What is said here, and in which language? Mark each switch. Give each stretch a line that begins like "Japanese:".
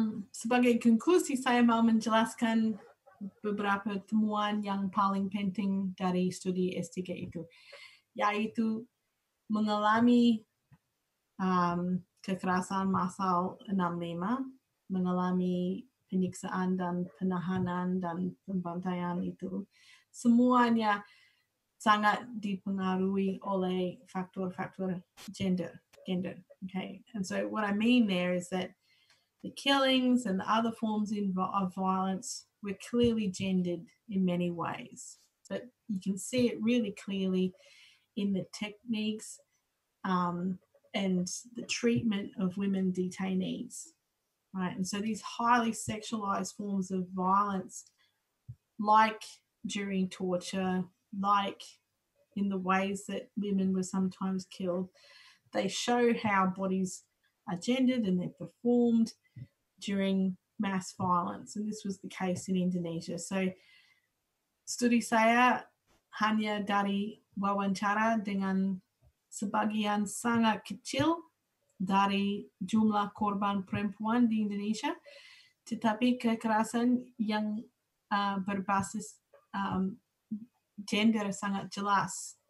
Indonesian: Sebagai konklusi, saya mau menjelaskan beberapa temuan yang paling penting dari studi STK itu, yaitu mengalami kekerasan massal 65, mengalami penyiksaan dan penahanan dan pembantaian itu, semuanya sangat dipengaruhi oleh faktor-faktor gender.
English: Okay, and so what I mean there is that the killings and the other forms of violence were clearly gendered in many ways, but you can see it really clearly in the techniques and the treatment of women detainees, right? And so these highly sexualized forms of violence, like during torture, like in the ways that women were sometimes killed, they show how bodies are gendered and they're performed during mass violence, and this was the case in Indonesia.
Indonesian: So studi saya hanya dari wawancara dengan sebagian sangat kecil dari jumlah korban perempuan di Indonesia, tetapi kekerasan yang berbasis gender sangat jelas.